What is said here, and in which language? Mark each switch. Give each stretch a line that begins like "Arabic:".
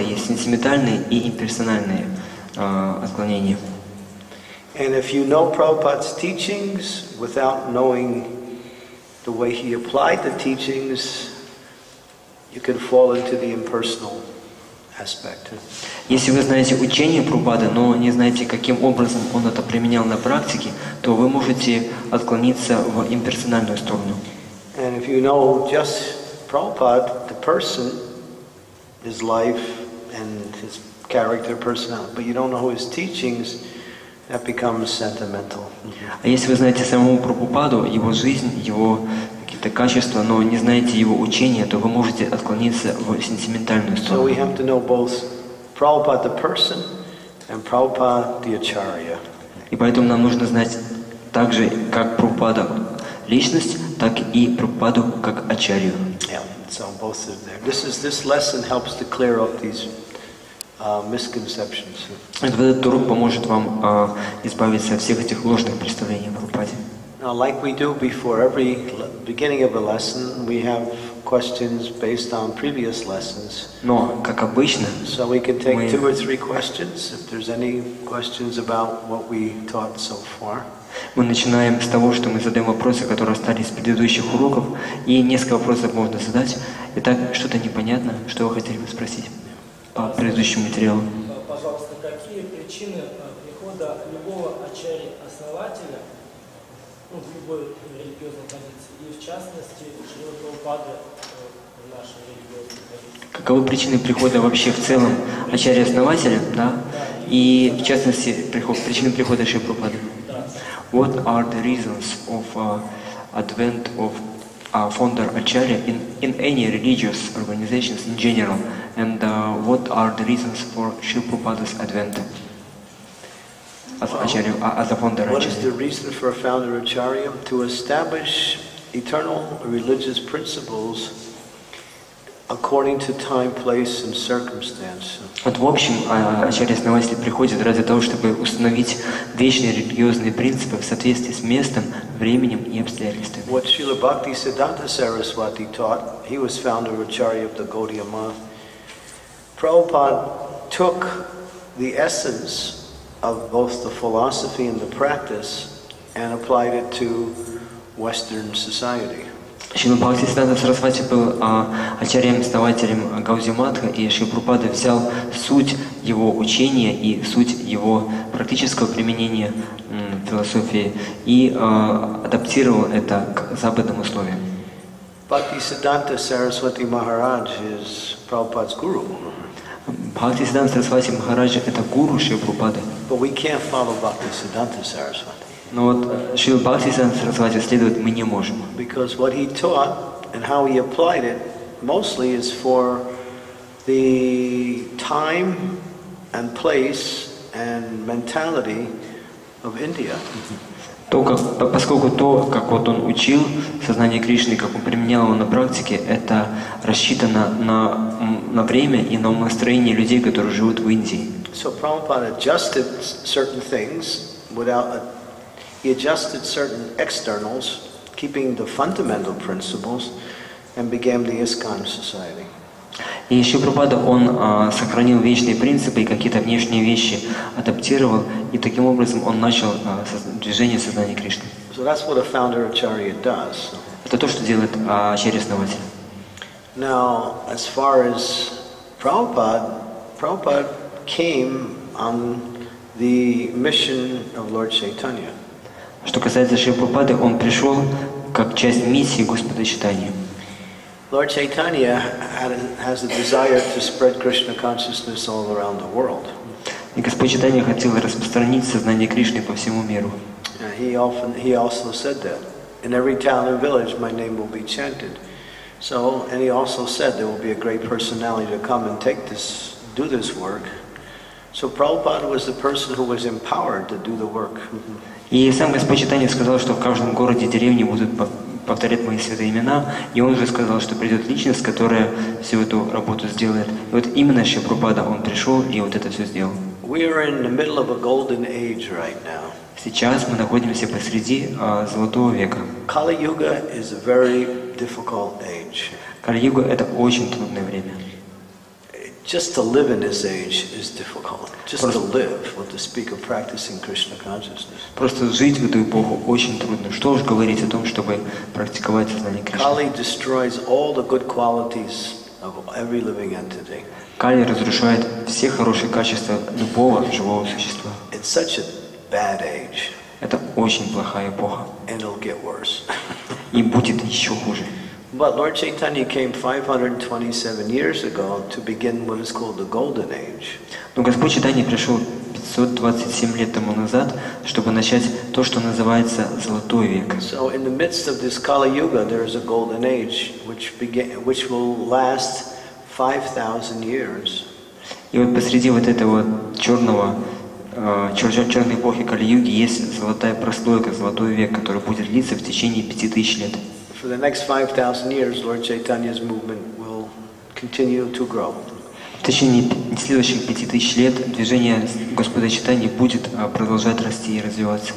Russian: Есть сентиментальные и имперсональные отклонения.
English: And if you know Prabhupada's teachings without knowing the way he applied the teachings, you can fall into the impersonal aspect.
Russian: Если вы знаете учение Прабхупады, но не знаете, каким образом он это применял на практике, то вы можете отклониться в имперсональную сторону.
English: And if you know just Prabhupada, the person, his life and his character, personality, but you don't know his teachings, that becomes sentimental.
Russian: А если вы знаете самого Прабхупаду, его жизнь, его какие-то качества, но не знаете его учения, то вы можете отклониться в сентиментальную сторону.
English: So we have to know both Prabhupada the person and Prabhupada the acharya.
Russian: И поэтому нам нужно знать также как Прабхупада личность, так и Прабхупаду как ачарью.
English: Yeah, so both of them. This lesson helps to clear up these misconceptions.
Russian: Этот урок поможет вам избавиться от всех этих ложных представлений о Прабхупаде.
English: Now, like we do before every beginning of a lesson, we have questions based on previous lessons.
Russian: Но, как обычно,
English: so we can take two or three questions if there's any questions about what we taught so far.
Russian: Мы начинаем с того, что мы задаем вопросы, которые остались с предыдущих уроков, и несколько вопросов можно задать. Итак, что-то непонятно, что вы хотели бы спросить по предыдущим материалам? Пожалуйста, какие причины прихода любого ачарьи-основателя, ну, в любой религиозной традиции, и в частности, Шрила Прабхупады в нашей религиозной традиции? Каковы причины прихода вообще в целом ачарьи-основателя, да? Да, и в частности, причины прихода Шрила Прабхупады?
English: What are the reasons of advent of founder Acharya in any religious organizations in general? And what are the reasons for Srila Prabhupada's advent as Acharya, as a founder Acharya? What is the reason for a founder Acharya? To establish eternal religious principles according to time, place, and circumstance.
Russian: Вот в общем, ачарьи-основатели приходят ради того, чтобы установить вечные религиозные принципы в соответствии с местом, временем и обстоятельствами.
English: What Srila Bhakti Siddhanta Saraswati taught, he was founder of Acharya of the Gaudiya Math. Prabhupada took the essence of both the philosophy and the practice and applied it to Western society.
Russian: Шрила Бхакти Сиддханта Сарасвати был ачарьем-основателем Гаудия Матха, и Шрила Прабхупада взял суть его учения и суть его практического применения философии и адаптировал это к западным условиям.
English: Бхакти Сиддханта Сарасвати Махарадж is Prabhupada's guru.
Russian: Бхакти Сиддханта Сарасвати Махарадж – это гуру Шрила Прабхупады.
English: But we can't follow Бхакти Сиддханта Сарасвати.
Russian: Но вот Шрила Бхакти Сиддханта Сарасвати следовать мы не можем.
English: Because what he taught and how he applied it mostly is for the time and place and mentality of India.
Russian: Поскольку то, как вот он учил сознание Кришны, как он применял его на практике, это рассчитано на время и на настроение людей, которые живут в Индии.
English: So Prabhupada adjusted certain things without a He adjusted certain externals, keeping the fundamental principles, and began the ISKCON society.
Russian: И еще Прабхупада, он сохранил вечные принципы и какие-то внешние вещи адаптировал, и таким образом он начал движение сознания Кришны.
English: So that's what a founder Acharya does.
Russian: Это то, что делает ачарья-основатель.
English: Now, as far as Prabhupada came on the mission of Lord Chaitanya.
Russian: Что касается Шрилы Прабхупады, он пришел как часть миссии Господа Чайтаньи.
English: Lord Chaitanya has a desire to spread Krishna consciousness all around the world.
Russian: И Господь Чайтанья хотел распространить сознание Кришны по всему миру.
English: He also said that in every town and village my name will be chanted. So, and he also said there will be a great personality to come and take this, do this work. So Prabhupada was the person who was empowered to do the work.
Russian: И сам Господь Читания сказал, что в каждом городе, деревне будут повторять мои святые имена, и он же сказал, что придет личность, которая всю эту работу сделает. И вот именно Шри Прабхупада, он пришел и вот это все сделал.
English: We are in the middle of a golden age right now.
Russian: Сейчас мы находимся посреди золотого века.
English: Kali-yuga is a very difficult age.
Russian: Кали-юга – это очень трудное время.
English: Just to live in this age is difficult. Just to live, or to speak of practicing Krishna consciousness.
Russian: Просто жить в эту эпоху очень трудно. Что уж говорить о том, чтобы практиковать сознание Кришны.
English: Kali destroys all the good qualities of every living entity.
Russian: Кали разрушает все хорошие качества любого живого существа.
English: It's such a bad age.
Russian: Это очень плохая эпоха.
English: And it'll get worse.
Russian: И будет еще хуже.
English: But Lord Chaitanya came 527 years ago to begin what is called the Golden Age.
Russian: Но Господь Читания пришел 527 лет тому назад, чтобы начать то, что называется Золотой век.
English: So in the midst of this Kali Yuga, there is a Golden Age which will last 5,000 years.
Russian: И вот посреди вот этого черного черной эпохи Кали Юги есть золотая прослойка, Золотой век, который будет длиться в течение 5000 лет.
English: For the next 5,000 years, Lord Chaitanya's movement will continue to grow.
Russian: В течение следующих 5000 лет движение Господа Чайтаньи будет продолжать расти и развиваться.